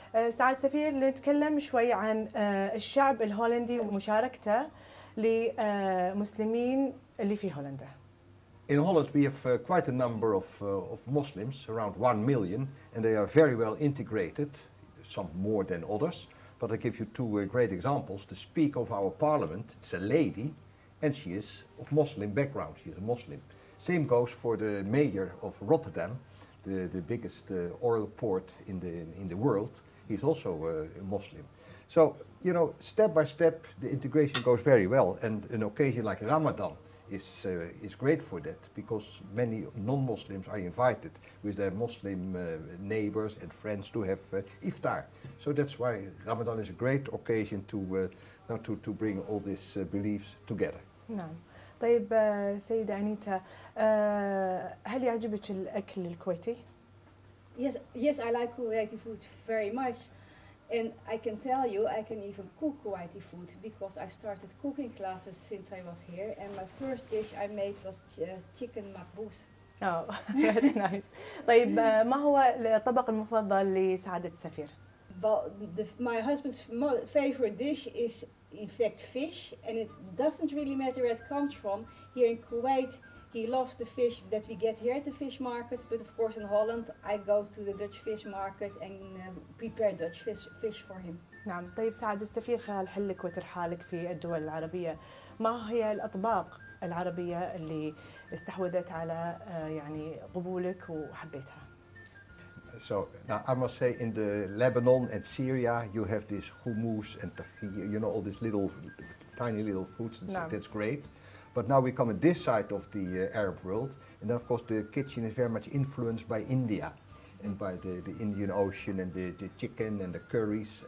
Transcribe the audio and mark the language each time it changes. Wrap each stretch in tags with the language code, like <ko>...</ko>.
<ar>سعاد سفير نتكلم شوي عن الشعب الهولندي ومشاركته لمسلمين اللي في هولندا.</ar> <en>In Holland we have quite a number of Muslims, around 1 million, and they are very well integrated, some more than others. But I give you two great examples. The Speaker of our Parliament, it's a lady, and she is of Muslim background. She is a Muslim. Same goes for the Mayor of Rotterdam, the biggest oil port in the world. He's also a Muslim. So, you know, step by step, the integration goes very well. And an occasion like Ramadan is great for that, because many non-Muslims are invited with their Muslim neighbors and friends to have iftar. So that's why Ramadan is a great occasion to bring all these beliefs together.</en> <ar>نعم. طيب سيدة أنيتا هل يعجبك الأكل الكويتي؟</ar> <en>Yes, I like Kuwaiti food very much. And I can tell you, I can even cook Kuwaiti food because I started cooking classes since I was here. And my first dish I made was chicken makbous. Oh, that's nice.</en> <ar>طيب ما هو الطبق المفضل لسعادة السفير؟</ar> <en>Well, my husband's favorite dish is, in fact, fish. And it doesn't really matter where it comes from. Here in Kuwait, he loves the fish that we get here at the fish market. But of course, in Holland, I go to the Dutch fish market and prepare Dutch fish for him. نعم.</en> <ar>طيب سعد السفير خلال حلك وترحالك في الدول العربية، ما هي الأطباق العربية اللي استحوذت على يعني قبولك وحبيتها؟</ar> <en>So now I must say, in the Lebanon and Syria, you have this hummus and tahini, you know, all these tiny little foods. That's great. But now we come at this side of the Arab world, and then of course the kitchen is very much influenced by India, and by the Indian Ocean and the chicken and the curries.</en>